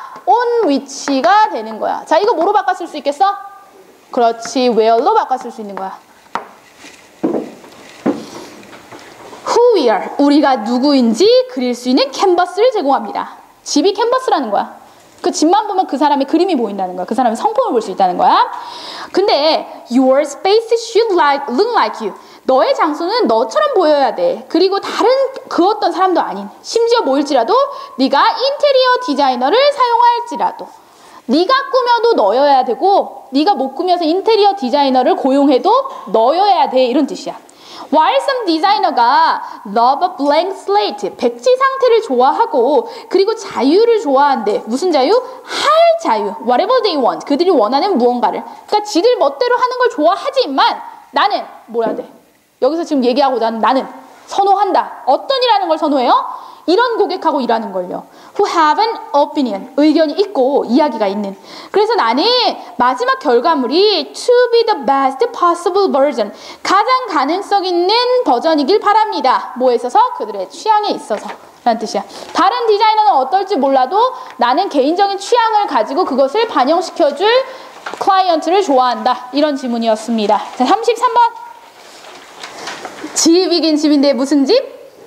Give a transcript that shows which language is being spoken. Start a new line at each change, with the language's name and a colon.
Korean: on which가 되는 거야. 자, 이거 뭐로 바꿨을 수 있겠어? 그렇지. where로 바꿨을 수 있는 거야.
English: who we are.
Korean: 우리가 누구인지 그릴 수 있는 캔버스를 제공합니다. 집이 캔버스라는 거야. 그 집만 보면 그 사람의 그림이 보인다는 거야. 그 사람의 성품을 볼 수 있다는 거야.
English: 근데 your space should look like you.
Korean: 너의 장소는 너처럼 보여야 돼. 그리고 다른 그 어떤 사람도 아닌, 심지어 뭐일지라도 네가 인테리어 디자이너를 사용할지라도, 네가 꾸며도 너여야 되고, 네가 못 꾸며서 인테리어 디자이너를 고용해도 너여야 돼. 이런 뜻이야.
English: While some designer가 love a blank slate,
Korean: 백지 상태를 좋아하고 그리고 자유를 좋아한대. 무슨 자유? 할 자유.
English: Whatever they want.
Korean: 그들이 원하는 무언가를. 그러니까 지들 멋대로 하는 걸 좋아하지만 나는 뭘 해야 돼? 여기서 지금 얘기하고자 하는 나는 선호한다. 어떤 일하는 걸 선호해요? 이런 고객하고 일하는 걸요.
English: Who have an opinion.
Korean: 의견이 있고 이야기가 있는. 그래서 나는 마지막 결과물이
English: to be the best possible version.
Korean: 가장 가능성 있는 버전이길 바랍니다. 뭐에 있어서? 그들의 취향에 있어서. 라는 뜻이야. 다른 디자이너는 어떨지 몰라도 나는 개인적인 취향을 가지고 그것을 반영시켜줄 클라이언트를 좋아한다. 이런 지문이었습니다. 자, 33번. 집이긴 집인데 무슨 집?